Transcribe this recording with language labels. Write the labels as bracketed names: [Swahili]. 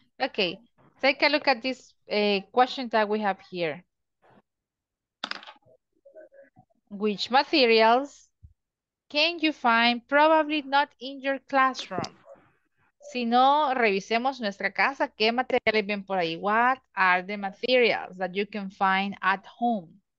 [English] Okay, take a look at this question that we have here. Which materials can you find probably not in your classroom? [Spanish] Si no, revisemos nuestra casa, ¿qué materiales ven por ahí? [English] What are the materials that you can find at home?